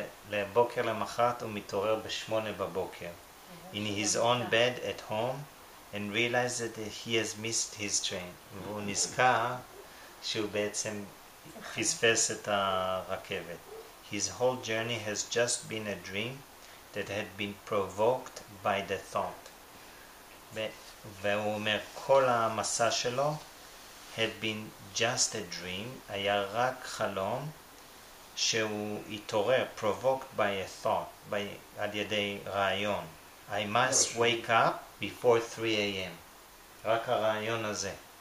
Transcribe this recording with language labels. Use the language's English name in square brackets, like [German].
[Hebrew] לבוקר למחרת, הוא מתעורר ב-8 בבוקר. [English] In his own bed at home, and realizes that he has missed his train. [Hebrew] והוא נזכר שהוא בעצם פספס את הרכבת. [English] His whole journey has just been a dream that had been provoked by the thought. [Hebrew] והוא אומר, כל המסע שלו [English] had been just a dream, [Hebrew] היה רק חלום שהוא התעורר, [English] provoked by a thought, [Hebrew] על ידי רעיון. [English] I must wake up before 3 AM. [Hebrew] רק הרעיון הזה.